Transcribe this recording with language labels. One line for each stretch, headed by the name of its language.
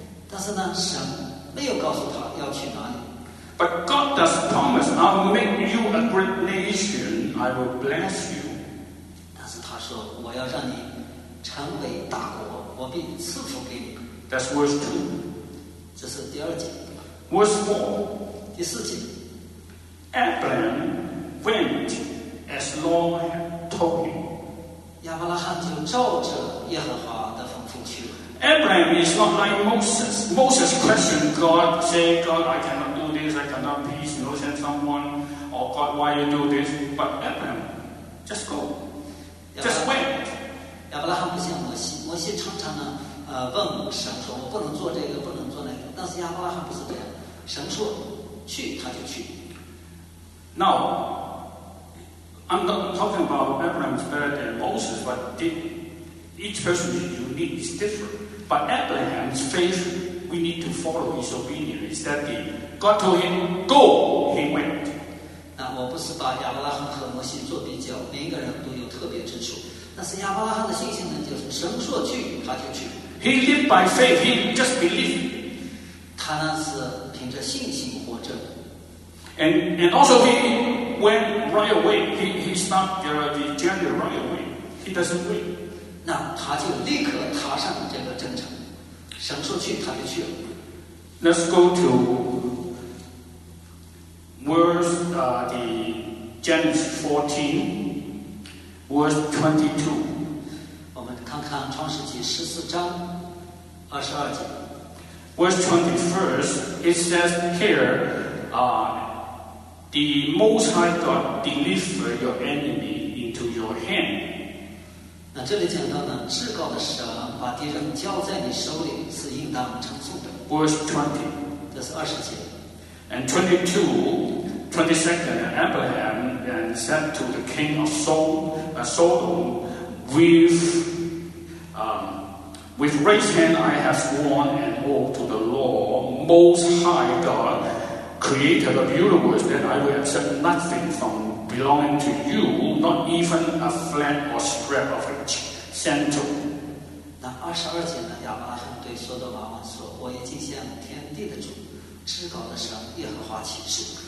Chinese: 但是呢，神没有告诉他要去哪里。
English: But God does promise, I will make you a great nation. I will bless you.
Chinese: 但是他说，我要让你成为大国，我必赐福给你。
English: That's verse 2.
Chinese: 这是第二节。
English: Verse 4.
Chinese: 第四节。
English: Abraham went as the Lord had told him.
Chinese: 亚伯拉罕就照着耶和华的吩咐去了。
English: Abraham is not like Moses. Moses questioned God, said, God, I cannot do this, I cannot please, you know, send someone, or God, why you do this? But Abraham, just go. Just wait.
Chinese: 亚伯拉罕不像摩西，摩西常常呢问神说，我不能做这个，不能做那个。但是亚伯拉罕不是这样，神说去他就去。
English: Now, I'm not talking about Abraham is better than Moses, but each person is unique, is different. But Abraham's faith, we need to follow his obedience. Is that the God told him, go, he went.
Chinese: 那我不是把亚伯拉罕和摩西做比较，每一个人都有特别之处。但是亚伯拉罕的信心呢，就是神说去他就去。
English: He lived by faith. He just believed.
Chinese: 他呢是凭着信心活着。
English: And also he went right away. He stopped the journey right away. He doesn't wait.
Chinese: 那他就立刻踏上这个征程。神说去他就去了。
English: Let's go to verse the Genesis 14. Verse 22.
Chinese: 我们看看创世纪十四章二十二节。
English: Verse 21st, it says here, the Most High God delivered your enemy into your hand.
Chinese: 那这里讲到呢，至高的神把敌人交在你手里是应当称颂的。
English: Verse 20.
Chinese: 这是二十节。
English: And 22nd, Abraham and said to the king of Sodom, with raised hand I have sworn an oath to the Lord, Most High God, creator of the universe, that I will accept nothing from belonging to you, not even a flat or strap of a sandal.
Chinese: 那二十二节呢，亚伯拉罕对所罗门王说，我已经向天地的主，至高的神耶和华起誓。